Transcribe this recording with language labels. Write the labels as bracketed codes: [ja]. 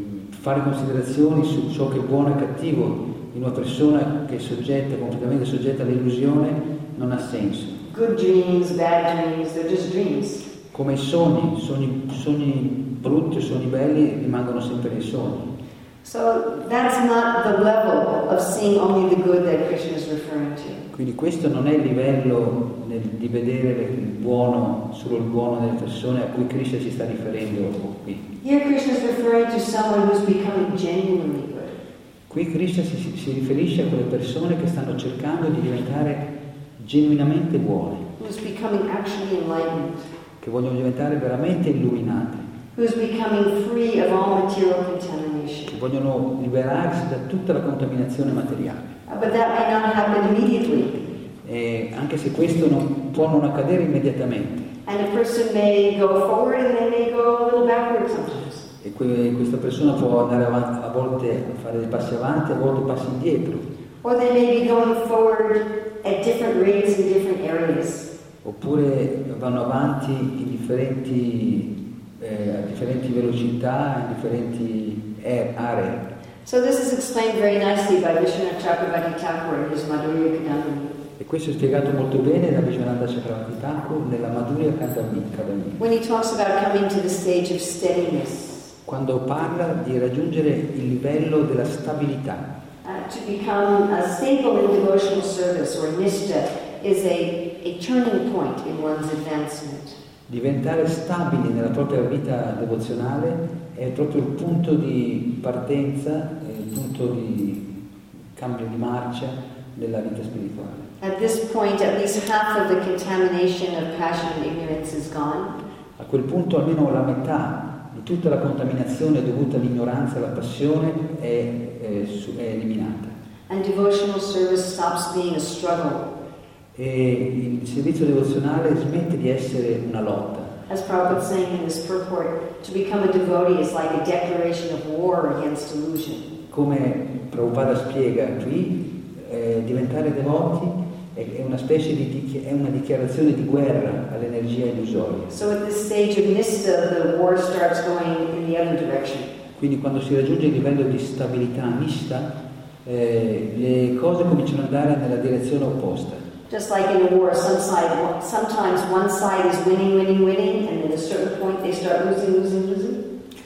[it] Fare considerazioni su ciò che è buono e cattivo in una persona che è soggetta, completamente soggetta all'illusione non ha senso. [en] Good dreams, bad dreams, they're just dreams. [it] Come i sogni, sogni brutti o sogni belli rimangono sempre nei sogni. [en] So that's not the level of seeing only the good that Krishna is referring to. [it] Quindi questo non è il livello di vedere il buono, solo il buono delle persone a cui Krishna si sta riferendo qui. [en] Here Krishna is referring to someone who's becoming genuinely good. [it] Qui Krishna si riferisce a quelle persone che stanno cercando di diventare genuinamente buone. [en] Who's becoming actually enlightened. [it] Che vogliono diventare veramente illuminate. [en] Who's becoming free of all material contamination. [it] Che vogliono liberarsi da tutta la contaminazione materiale. [en] But that may not happen immediately. [it] E anche se questo non può non accadere immediatamente. [en] And a person may go forward and they may go a little backwards sometimes. [it] E questa persona può andare avanti a volte fare dei passi avanti, a volte passi indietro. [en] Or they may be going forward at different rates in different areas. [it] Oppure vanno avanti in differenti a differenti velocità, in differenti aree. [en] So this is explained very nicely by Vishwanatha Chakravarti Thakur in his Madhurya Kadambini. [it] E questo è spiegato molto bene da Vishwanatha Chakravarti Thakur nella Madhurya Kadambini. [en] When he talks about coming to the stage of steadiness. [it] Quando parla di raggiungere il livello della stabilità. [en] To become a stable in devotional service or nishtha is a turning point in one's advancement. [it] Diventare stabili nella propria vita devozionale è proprio il punto di partenza, è il punto di cambio di marcia della vita spirituale. [en] At this point, at least half of the contamination of passion and ignorance is gone. [it] A quel punto, almeno la metà di tutta la contaminazione dovuta all'ignoranza e alla passione è eliminata. [en] And devotional service stops being a struggle. [it] E il servizio devozionale smette di essere una lotta. [en] As Prabhupada saying in this purport, to become a devotee is like a declaration of war against illusion. [it] Come Prabhupada spiega qui, diventare devoti è una specie di è una dichiarazione di guerra all'energia illusoria. [en] So at this stage of nista, the war starts going in the other direction. [it] Quindi quando si raggiunge il livello di stabilità nista, le cose cominciano ad andare nella direzione opposta. [en] Just like in a war, sometimes one side is winning, winning, winning, and at a certain point they start losing, losing, losing.